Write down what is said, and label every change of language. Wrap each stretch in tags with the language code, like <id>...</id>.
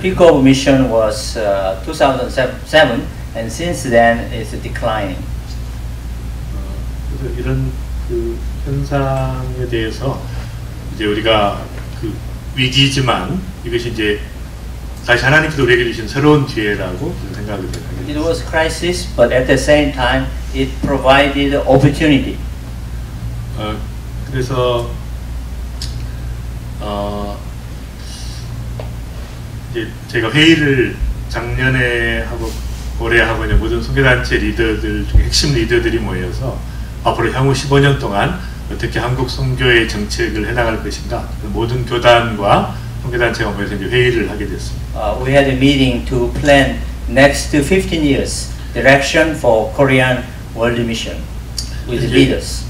<en>Peak of mission was 2007 and since then it's declining.</en> <ko>그래서 이런 그 현상에 대해서 이제 우리가 그 위기지만 이것이 이제 다시 하나님께서 우리에게 주신 새로운 기회라고 생각을 하게 됐습니다.</ko> <en>It was a crisis, but at the same time, it provided opportunity.</en> <ko>그래서 이제 제가 회의를 작년에 하고 올해 하고 이제 모든 선교단체 리더들 중에 핵심 리더들이 모여서 앞으로 향후 15년 동안 어떻게 한국 선교의 정책을 해나갈 것인가 모든 교단과 선교단체가 모여서 이제 회의를 하게 됐습니다.</ko> <en>We had a meeting to plan next 15 years direction for Korean world mission with 이제, leaders.</en>